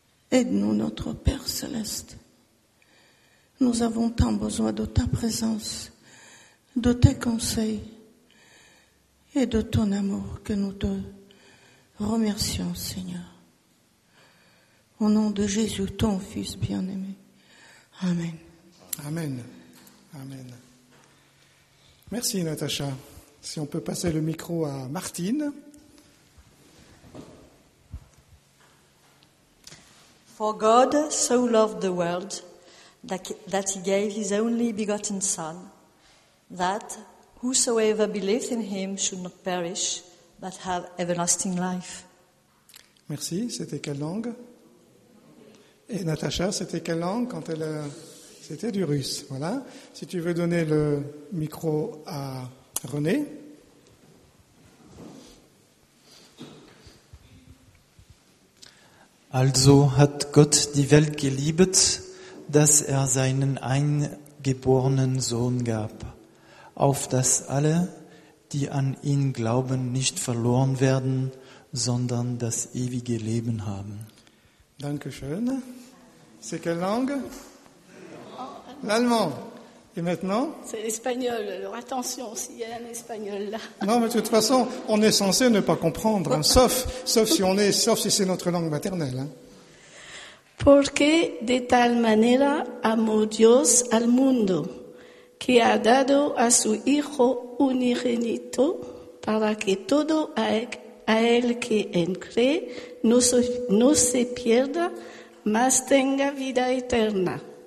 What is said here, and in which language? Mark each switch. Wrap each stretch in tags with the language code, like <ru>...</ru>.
<fr>Aide-nous, notre Père Céleste. Nous avons tant besoin de ta présence, de tes conseils, et de ton amour que nous te remercions, Seigneur. Au nom de Jésus, ton Fils bien-aimé. Amen. Amen. Amen. Merci, Natacha. Si on peut passer le micro à Martine.</fr> <en>For God so loved the world that he gave his only begotten Son, that whosoever believes in him should not perish, but have everlasting life.</en> <fr>Merci. C'était quelle langue? Et Natacha, c'était quelle langue quand elle... C'était du russe, voilà. Si tu veux donner le micro à René.</fr> <de>Also hat Gott die Welt geliebt, dass er seinen eingeborenen Sohn gab. Auf dass alle, die an ihn glauben, nicht verloren werden, sondern das ewige Leben haben.</de> <fr>Dankeschön. C'est quelle langue? L'allemand. Et maintenant? C'est l'espagnol. Alors attention, s'il y a un espagnol là. Non, mais de toute façon, on est censé ne pas comprendre, hein, sauf si c'est notre langue maternelle.</fr> <es>Hein. Porque de tal manera amó Dios al mundo. que ha dado a su Hijo unigénito para que todo a él que en cree no se pierda, mas tenga vida eterna.</es>